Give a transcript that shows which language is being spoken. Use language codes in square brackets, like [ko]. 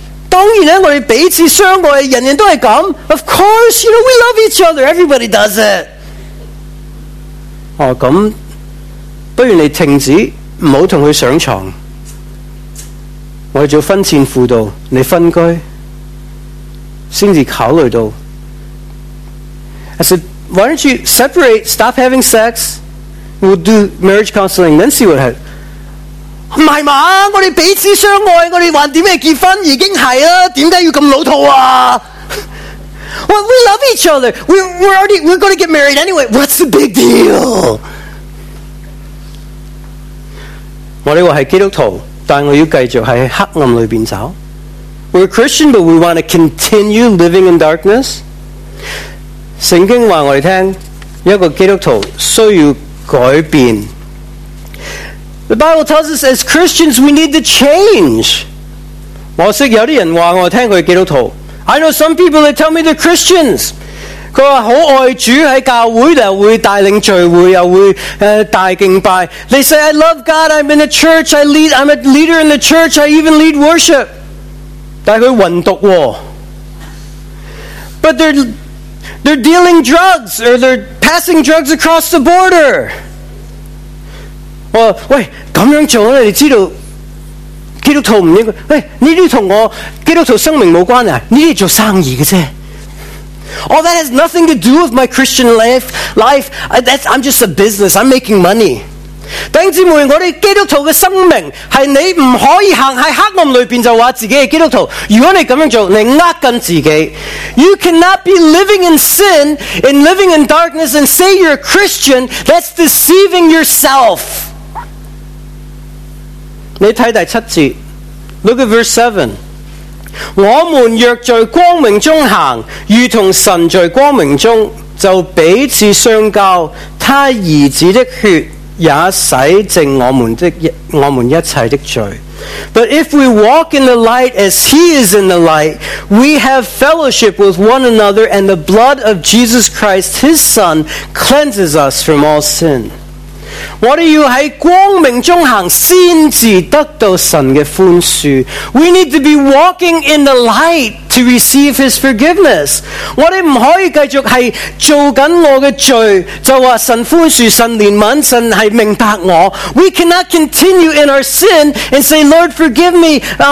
[zh] 当然我们彼此相爱，人人都是这样。 [en] Of course, you know, we love each other, everybody does it. [zh] 哦，这样不如你停止，不要跟他上床。我们做婚前辅导，你分居，才考虑到。 [en] I said, why don't you separate, stop having sex, we'll do marriage counseling, then see what happens. [zh] 不是嘛，我们彼此相爱，我们还怎么结婚？已经是了，为什么要这么老套啊？ [en] Well, we love each other. We're going to get married anyway. What's the big deal? [zh] 我们是基督徒，但我要继续在黑暗里面走。 [en] We're Christian, but we want to continue living in darkness. [zh] 圣经告诉我们，一个基督徒需要改变。 [en] The Bible tells us as Christians we need to change. [zh] 我认识有些人告诉我他是基督徒。 [en] I know some people that tell me they're Christians. [zh] 他说很爱主，在教会又会带领聚会，又会大敬拜。 [en] They say, I love God, I'm in the church, I'm a leader in the church, I even lead worship. [zh] 但是他混毒、哦、 [en] But they're dealing drugs, or they're passing drugs across the border. [zh] 我说，喂，这样做你知道基督徒不应该，喂，这些跟我基督徒生命没关系，这些做生意的啫。 [en] Oh, that has nothing to do with my Christian life. I'm just a business. I'm making money. [zh] 弟兄姊妹，我们基督徒的生命是你不可以行在黑暗里面就说自己是基督徒。如果你这样做，你欺自己。 [en] You cannot be living in sin and living in darkness and say you're a Christian. That's deceiving yourself. [zh] 你看第七节， [en] Look at verse 7. [zh] 我们若在光明中行，如同神在光明中，就彼此相交，他儿子的血也洗净我们一切的罪。 [en] But if we walk in the light as he is in the light, we have fellowship with one another, and the blood of Jesus Christ, his son, cleanses us from all sin. [zh] 我们要在光明中行，先至得到神的宽恕。 [en] We need to be walking in the light to receive his forgiveness. [zh] 我们不可以继续是做紧我的罪，就说神宽恕，神怜悯，神是明白我。 [en] We cannot continue in our sin and say, Lord, forgive me.